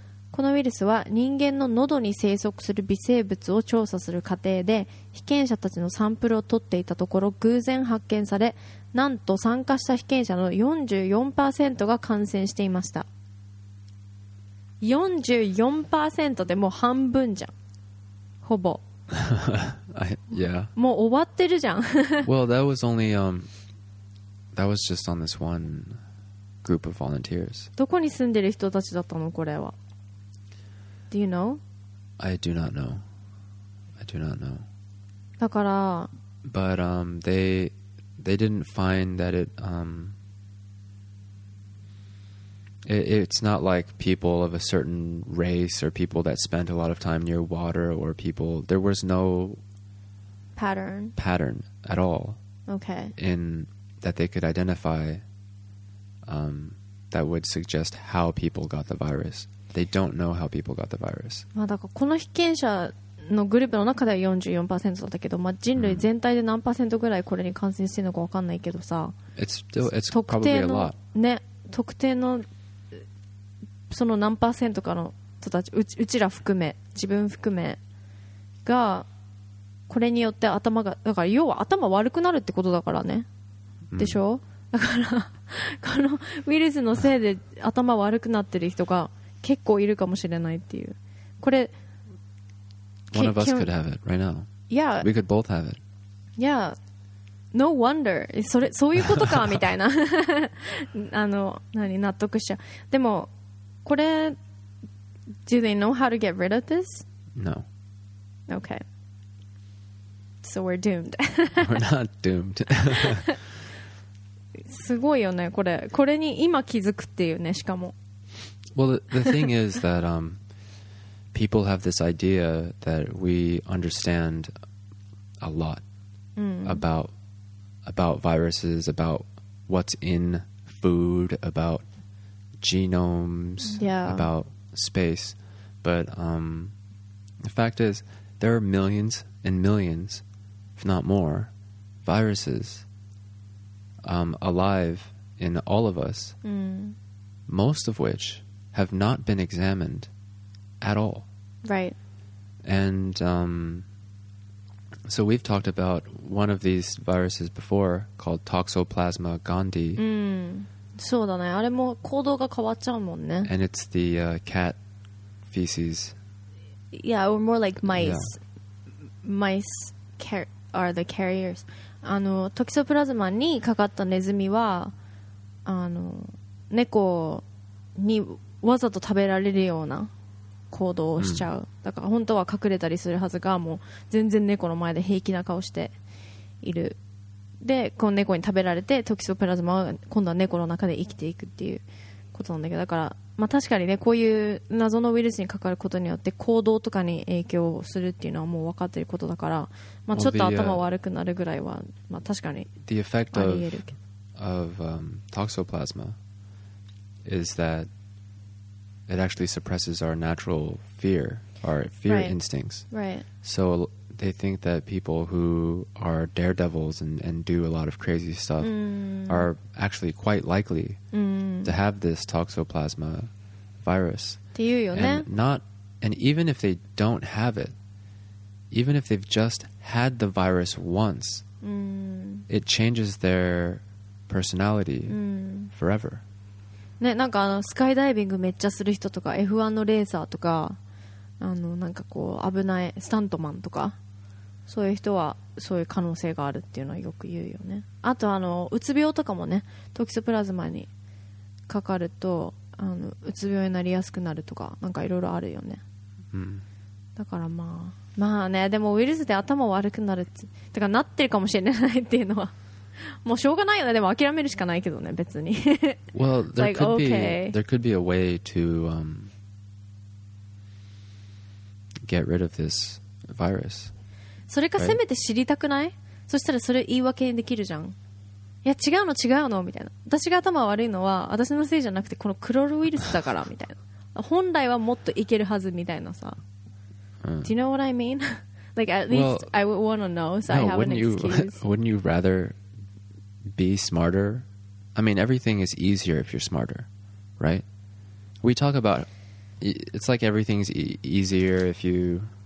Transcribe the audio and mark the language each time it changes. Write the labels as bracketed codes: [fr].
[ja] このウイルスは人間の喉に生息する微生物を調査する過程で被験者たちのサンプルを取っていたところ偶然発見され、なんと参加した被験者の 44% が感染していました。 44% でもう半分じゃん、ほぼ。 [en] Yeah. [ja] もう終わってるじゃん。 [en] Well, that was only, that was just on this one group of volunteers. [ja] どこに住んでる人たちだったのこれは。 [en] Do you know? I do not know. I do not know. [ja] だから。 [en] But they didn't find that it's not like people of a certain race or people that spent a lot of time near water or people. There was no pattern at all. Okay. In that they could identify, that would suggest how people got the virus. They don't know how people got the virus. [ja] まあだからこの被験者のグループの中では 44% だったけど、まあ人類全体で何パーセントぐらいこれに感染してるのか分かんないけどさ、 [en] It's probably a lot. [ja] ね、特定のその何パーセントかの人たち、うちら含め、自分含めがこれによって頭が、だから要は頭悪くなるってことだからね、でしょ、うん、だからこのウイルスのせいで頭悪くなってる人が結構いるかもしれないっていう。これ [en] One of us could have it right now. Yeah. We could both have it. Yeah. No wonder. [ja] それそういうことかみたいな。あの、何、納得しちゃう。でも、これ、 [en] Do they know how to get rid of this? No. Okay. So we're doomed. We're not doomed. [ja] すごいよね、これ。これに今気づくっていうね、しかも。 [en] Well, the thing is that, people have this idea that we understand a lot、 mm. about viruses, about what's in food, about genomes,、 yeah. about space. But、the fact is, there are millions and millions, if not more, viruses、alive in all of us,、 mm. most of which have not been examined at all. Right. And、so we've talked about one of these viruses before called Toxoplasma gondii. [ja] Mm. そうだね。あれも行動が変わっちゃうもんね。 [en] And it's the、cat feces. Yeah, or more like mice.、Yeah. Mice are the carriers. [ja] あの、トキソプラズマにかかったネズミは、あの、猫にわざと食べられるような行動をしちゃう、うん、だから本当は隠れたりするはずがもう全然猫の前で平気な顔している。でこの猫に食べられてトキソプラズマは今度は猫の中で生きていくっていうことなんだけど、だから、まあ、確かにね、こういう謎のウイルスにかかることによって行動とかに影響するっていうのはもう分かっていることだから、まあ、ちょっと頭悪くなるぐらいは、まあ、確かにあり得る。 [en] The effect of toxoplasma is thatIt actually suppresses our natural fear, our fear right. instincts. Right. So they think that people who are daredevils and do a lot of crazy stuff、 mm. are actually quite likely、mm. to have this toxoplasma virus. [ja] っていうよね。 [en] And even if they don't have it, even if they've just had the virus once,、mm. it changes their personality、mm. forever. [ja] ね、なんかあのスカイダイビングめっちゃする人とか F1 のレーサーとか、あのなんかこう危ないスタントマンとか、そういう人はそういう可能性があるっていうのはよく言うよね。あとあのうつ病とかもね、トキソプラズマにかかるとあのうつ病になりやすくなるとか、なんかいろいろあるよね、うん、だからまあまあね、でもウイルスで頭悪くなるって、だからなってるかもしれないっていうのはもうしょうがないよね。でも諦めるしかないけどね、別に。 [en] Well, there like, could be、okay. there could be a way to、get rid of this virus. [ja] それか、 [en] right? [ja] せめて知りたくない？そしたらそれ言い訳にできるじゃん。いや違うの違うのみたいな。私が頭悪いのは私のせいじゃなくてこのクロールウイルスだからみたいな。本来はもっといけるはずみたいなさ。 [en] Do you know what I mean? Like at least well, I would want to know, so no, I have an excuse. Wouldn't you rather? Be smarter. I mean, everything is easier if you're smarter, right? We talk about it's like everything's easier if you.